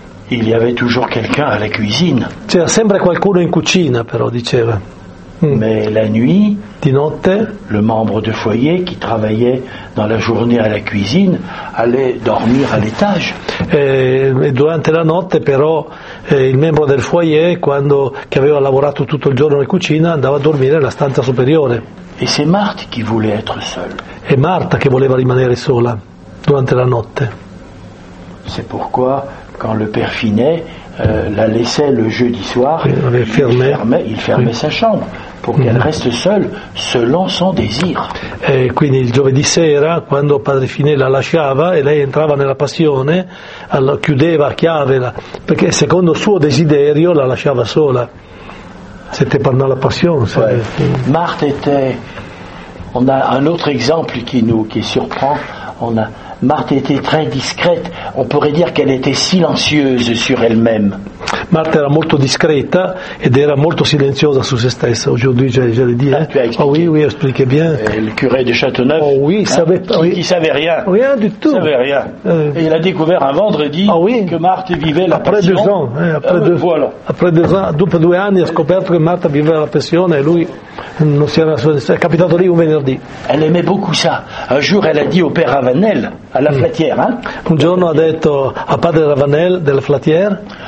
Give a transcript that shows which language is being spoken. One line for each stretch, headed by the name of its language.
French: Il y avait toujours quelqu'un à la cuisine.
Italian: C'era sempre qualcuno in cucina, però diceva.
French: Mais la nuit,
Italian: di notte,
French: le membre de foyer qui travaillait dans la journée à la cuisine allait dormir à l'étage.
Italian: E durante la notte, però, il membro del foyer, che aveva lavorato tutto il giorno in cucina, andava a dormire nella stanza superiore.
French: Et c'est Marthe qui voulait être seule.
Italian: E Marta che voleva rimanere sola durante la notte.
French: C'est pourquoi quand le père Finet la laissait le jeudi soir, il fermait sa chambre pour qu'elle reste seule selon son désir.
Italian: Et quindi il giovedì sera, quando padre Finet la lasciava e lei entrava nella passione, allora chiudeva a chiave perché secondo suo desiderio la lasciava sola.
French: C'était pendant la passion. Ouais. Marthe était. On a un autre exemple qui surprend. On a Marthe était très discrète, on pourrait dire qu'elle était silencieuse sur elle-même. Marthe era molto discreta ed era molto silenziosa su se stessa. Aujourd'hui, j'allais dire. Ah, oh, oui, expliqué bien. Et le curé de Châteauneuf, oh, oui, savait, hein, qui ne savait rien. Rien du tout. Savait rien. Et il a découvert un vendredi que Marthe vivait la après passion. Après deux ans. Après deux ans,
Italian: dopo due anni, ha scoperto che Marthe viveva la passione e lui. Non si è capitato lì un venerdì.
French: Elle aimait beaucoup ça. Un jour, elle a dit au père Ravanel, à la Flatière. Hein?
Italian: Un giorno ha detto a padre Ravanel della Flatière.